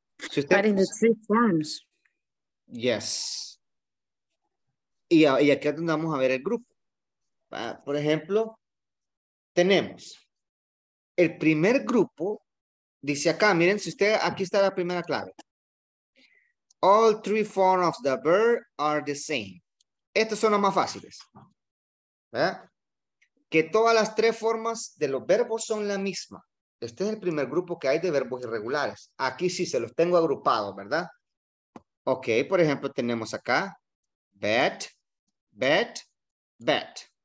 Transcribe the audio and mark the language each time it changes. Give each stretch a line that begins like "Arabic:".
Spanish: Si usted,
English: but in the three forms.
Spanish: Yes. Y aquí andamos a ver el grupo. ¿Verdad? Por ejemplo, tenemos el primer grupo. Dice acá, miren, si usted, aquí está la primera clave.
English: All three forms of the verb are the same.
Spanish: Estos son los más fáciles. ¿Verdad? Que todas las tres formas de los verbos son la misma. Este es el primer grupo que hay de verbos irregulares. Aquí sí se los tengo agrupados, ¿verdad? Ok, por ejemplo, tenemos acá bet, bet, bet.